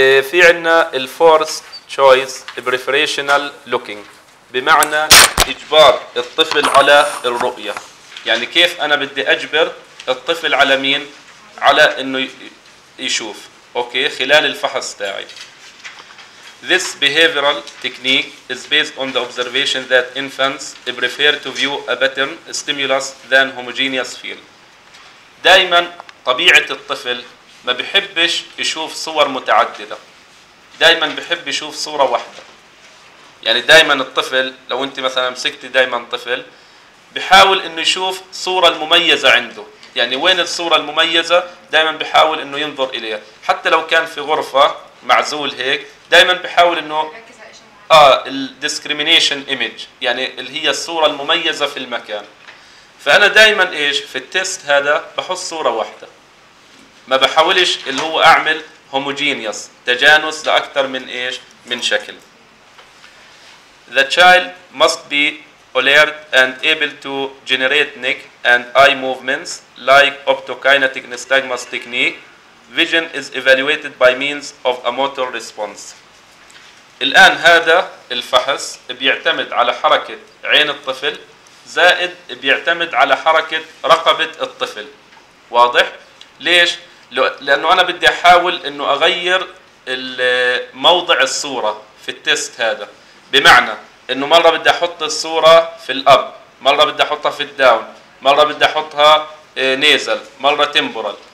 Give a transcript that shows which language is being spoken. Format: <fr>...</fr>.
<ar>في عندنا الفورس تشويس بريفريشنال لوكينج، بمعنى اجبار الطفل على الرؤيه. يعني كيف انا بدي اجبر الطفل على مين؟ على انه يشوف. اوكي، خلال الفحص تاعي.</ar> <en>This behavioral technique is based on the observation that infants prefer to view a pattern stimulus than homogeneous field.</en> <ar>دائما طبيعة الطفل ما بحبش يشوف صور متعددة، دائما بحب يشوف صورة واحدة. يعني دائما الطفل، لو انت مثلا مسكتي دائما طفل، بحاول انه يشوف صورة المميزة عنده. يعني وين الصورة المميزة؟ دائما بحاول انه ينظر اليها، حتى لو كان في غرفة معزول هيك، دائما بحاول انه الديسكريميشن ايمج، يعني اللي هي الصوره المميزه في المكان. فانا دائما ايش في التست هذا بحط صوره واحده، ما بحاولش اللي هو اعمل هوموجينيوس، تجانس لاكثر من ايش من شكل.</ar> <en>The child must be alert and able to generate neck and eye movements like optokinetic nystagmus technique. Vision is evaluated by means of a motor response.</en> <ar>الآن هذا الفحص بيعتمد على حركة عين الطفل، زائد بيعتمد على حركة رقبة الطفل. واضح؟ ليش؟ لأنه أنا بدي أحاول أنه أغير موضع الصورة في التست هذا، بمعنى أنه مرة بدي أحط الصورة في الأب، مرة بدي أحطها في الداون، مرة بدي أحطها نيزل، مرة تيمبورال.</ar>